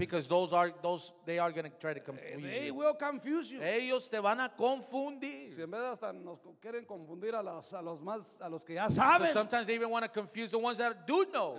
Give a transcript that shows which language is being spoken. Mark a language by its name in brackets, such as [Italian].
[English] Because they are going to try to confuse you. They will confuse you. [Spanish] Ellos te van a confundir. Si en vez hasta nos quieren confundir a los que ya saben. [English] But sometimes they even want to confuse the ones that do know.